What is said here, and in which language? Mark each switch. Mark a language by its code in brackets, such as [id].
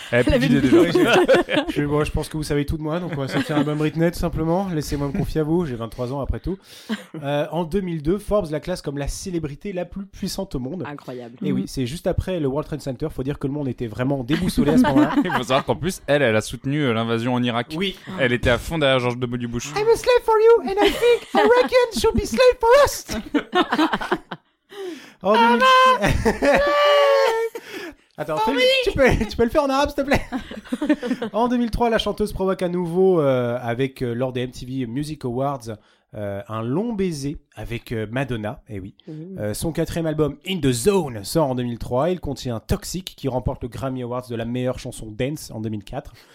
[fr] je pense que vous savez tout de moi, donc on va sortir un album Britney, tout simplement. Laissez-moi me confier à vous, j'ai 23 ans après tout. En 2002, Forbes la classe comme la célébrité la plus puissante au monde. Incroyable. Et oui, c'est juste après le World Trade Center, faut dire que le monde était vraiment déboussolé à ce moment-là. Il faut savoir qu'en plus, elle a soutenu l'invasion en Irak. Oui. Elle était à fond derrière George W. Bush. [en] I'm a slave for you, and I think Americans should be slave for us. [fr] Attends, tu peux le faire en arabe, s'il te plaît. En 2003, la chanteuse provoque à nouveau, avec lors des MTV Music Awards, un long baiser avec Madonna. Son quatrième album In the Zone sort en 2003. Il contient Toxic, qui remporte le Grammy Awards de la meilleure chanson dance en 2004.